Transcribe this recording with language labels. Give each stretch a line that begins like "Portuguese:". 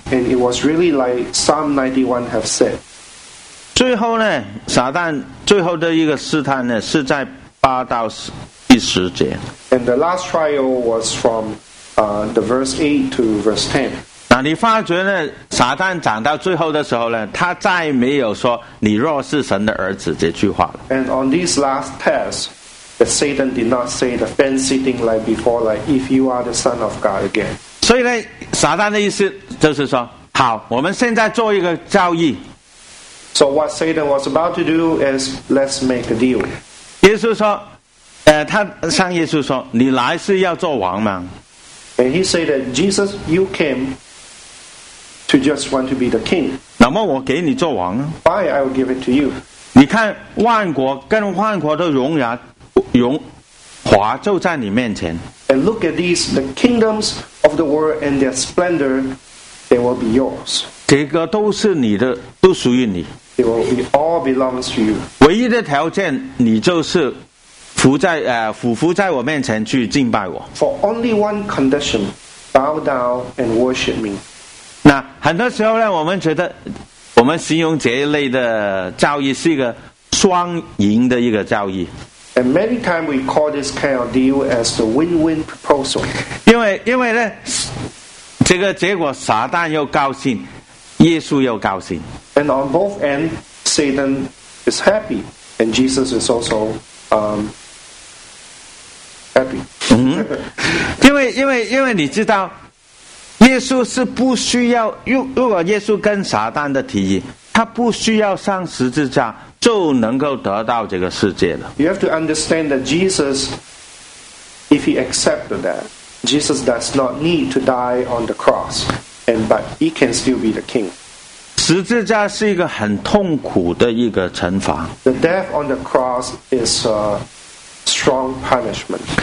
English: And it was really like Psalm 91 have said.
Chinese: 最后呢，撒旦最后的一个试探呢，是在八到十。
English: And the last trial was from the verse 8 to verse 10.
Chinese: 那你发觉呢，撒旦讲到最后的时候呢，他再没有说你若是神的儿子这句话了。
English: And on this last test, that Satan did not say the fancy thing like before, like if you are the son of God again.
Chinese: 所以呢，撒旦的意思就是说，好，我们现在做一个交易。
English: So what Satan was about to do is let's make a deal.
Chinese: 耶稣说。他向耶稣说：“你来是要做王吗
English: ？”And he said that Jesus, you came to just want to be the king.
Chinese: 那么我给你做王啊
English: ？Why I will give it to you？
Chinese: 你看万国跟万国的荣耀、荣华就在你面前。
English: And look at these, the kingdoms of the world and their splendor, they will be yours.
Chinese: 这个都是你的，都属于你。
English: They will be all belongs to you.
Chinese: 唯一的条件，你就是。伏在我面前去敬拜我。
English: For only one condition, bow down and worship me.
Chinese: 那很多时候呢，我们觉得，我们形容这一类的交易是一个双赢的一个交易。
English: And many times we call this kind of deal as the win-win proposal.
Chinese: 因为呢，这个结果撒旦又高兴，耶稣又高兴。
English: And on both ends, Satan is happy, and Jesus is also happy.
Chinese: 因为你知道，耶稣是不需要，如果耶稣跟撒旦的提议，他不需要上十字架就能够得到这个世界了。
English: You have to understand that Jesus, if he accepted that, Jesus does not need to die on the cross, and but he can still be the king.
Chinese: 十字架是一个很痛苦的一个惩罚。
English: The death on the cross is a strong punishment.